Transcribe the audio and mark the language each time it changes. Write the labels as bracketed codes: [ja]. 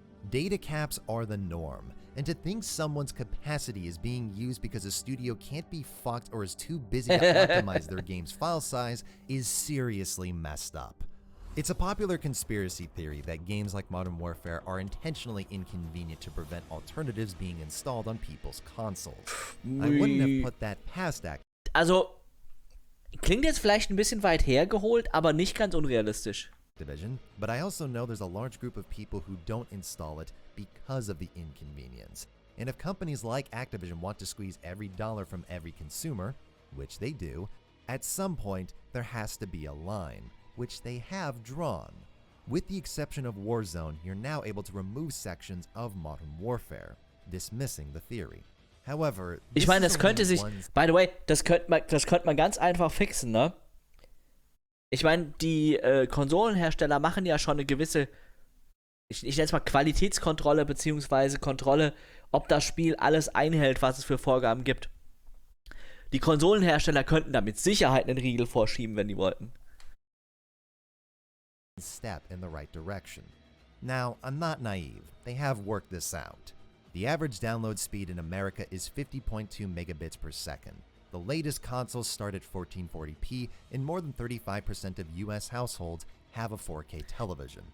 [en] Data caps are the norm, and to think someone's capacity is being used because a studio can't be fucked or is too busy to optimize their game's file size is seriously messed up. It's a popular conspiracy theory that games like Modern Warfare are intentionally inconvenient to prevent alternatives being installed on people's consoles. I wouldn't have put that past that. [de] Also, klingt jetzt vielleicht ein bisschen weit hergeholt, aber nicht ganz unrealistisch. [en] Division, but I also know there's a large group of people who don't install it because of the inconvenience. And if companies like Activision want to squeeze every dollar from every consumer, which they do, at some point there has to be a line. Which they have drawn. With the exception of Warzone, you're now able to remove sections of Modern Warfare, dismissing the theory. However, [de] ich meine, das könnte sich, [en] by the way, [de] das könnte man ganz einfach fixen, ne? Ich meine, die Konsolenhersteller machen ja schon eine gewisse, ich nenne es mal Qualitätskontrolle beziehungsweise Kontrolle, ob das Spiel alles einhält, was es für Vorgaben gibt. Die Konsolenhersteller könnten da mit Sicherheit einen Riegel vorschieben, wenn die wollten. [en] Step in the right direction. Now, I'm not naive. They have worked this out. The average download speed in America is 50.2 megabits per second. The latest consoles start at 1440p, and more than 35% of US households have a 4K television.